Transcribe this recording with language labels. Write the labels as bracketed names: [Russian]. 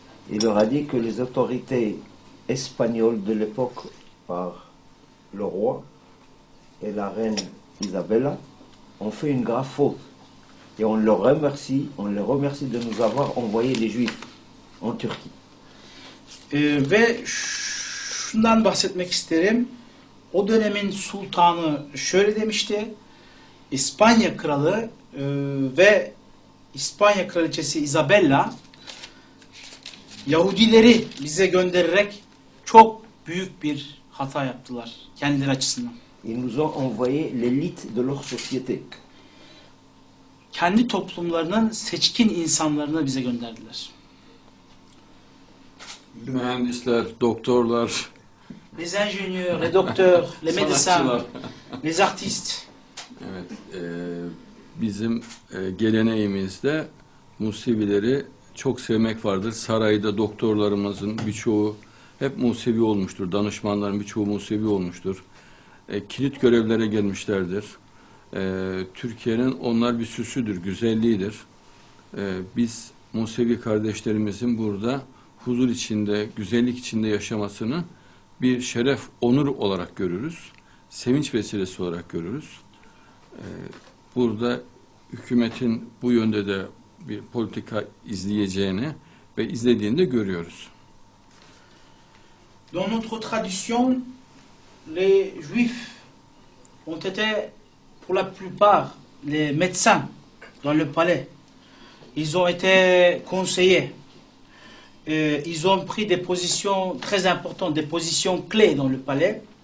[French] Il leur a dit que les autorités espagnoles de l'époque, par le roi et la reine Isabella, ont fait une grave faute. Et on les remercie de nous avoir envoyé les Juifs en Turquie. [Turkish] Ve şundan bahsetmek isterim. O dönemin sultanı şöyle demişti. İspanya kralı ve İspanya kraliçesi Isabella Yahudileri bize göndererek çok büyük bir hata yaptılar kendileri açısından. [French] Ils nous ont envoyé l'élite de leur société. [Turkish] Kendi toplumlarının seçkin insanlarını bize gönderdiler. Mühendisler, doktorlar, [French] les ingénieurs, les docteurs, les médecins, les artistes. [Turkish] Evet, bizim geleneğimizde Musevileri çok sevmek vardır. Sarayda doktorlarımızın birçoğu hep Musevi olmuştur. Danışmanların birçoğu Musevi olmuştur. Kilit görevlere gelmişlerdir. Türkiye'nin onlar bir süsüdür, güzelliğidir. Biz Musevi kardeşlerimizin burada huzur içinde, güzellik içinde yaşamasını bir şeref, onur olarak görürüz. Sevinç vesilesi olarak görürüz. Burada hükümetin bu yönde de bir politika izleyeceğini ve izlediğini de görüyoruz. [French] Dans notre tradition, les Juifs ont été pour la plupart les médecins dans le palais. Ils ont été conseillers. Ils ont pris des positions très importantes, des positions clés dans le palais.